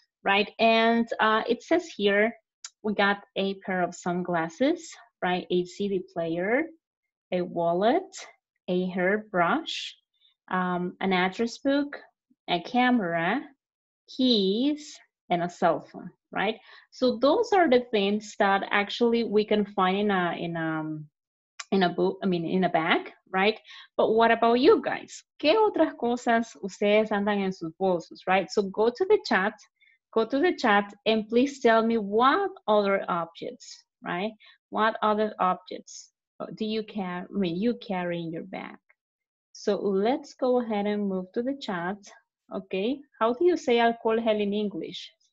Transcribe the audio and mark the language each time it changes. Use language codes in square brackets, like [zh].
[en] Right, and it says here we got a pair of sunglasses, right, a CD player, a wallet, a hairbrush, an address book, a camera, keys, and a cell phone, right? So those are the things that actually we can find in a bag, right? But what about you guys? [es] ¿Qué otras cosas ustedes andan en sus bolsos, right? [en] So go to the chat. Go to the chat and please tell me what other objects, right? What other objects do you carry in your bag? So let's go ahead and move to the chat. Okay. How do you say alcohol gel in English?